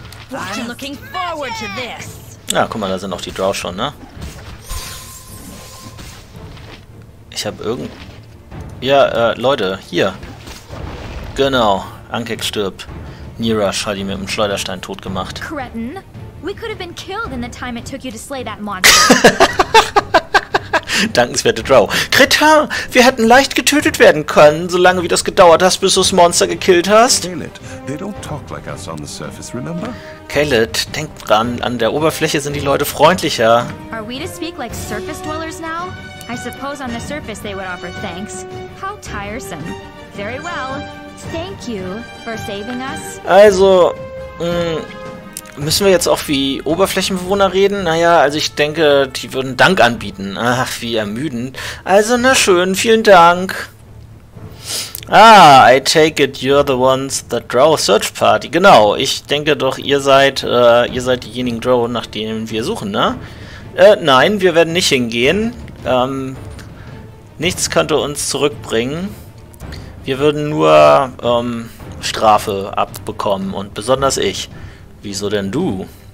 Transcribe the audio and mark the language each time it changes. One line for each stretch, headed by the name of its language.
German: Na, guck mal, da sind auch die Drow schon, ne? Ich habe irgend... Ja, Leute, hier. Genau. Ankhack stirbt. Nirash hat ihn mit dem Schleuderstein tot gemacht.
English: Cretin, we could have been killed in the time it took you to slay that monster.
German: Dankenswerte Drow. Cretin, wir hätten leicht getötet werden können, solange wie das gedauert hat, bis du das Monster gekillt hast.
English: Caelid, they don't talk like us on the surface, remember?
German: Caelid, denk dran, an der Oberfläche sind die Leute freundlicher.
English: Are we to speak like surface dwellers now? I suppose on the surface they would offer thanks. How tiresome. Very well. Thank you for saving us.
German: Also, müssen wir jetzt auch wie Oberflächenbewohner reden? Naja, also ich denke, die würden Dank anbieten. Ach, wie ermüdend. Also, na schön, vielen Dank.
English: Ah, I take it you're the ones that draw a search party.
German: Genau, ich denke doch, ihr seid diejenigen Drow, nach denen wir suchen, ne? Nein, wir werden nicht hingehen. Nichts könnte uns zurückbringen. Wir würden nur Strafe abbekommen. Und besonders ich. Wieso denn du?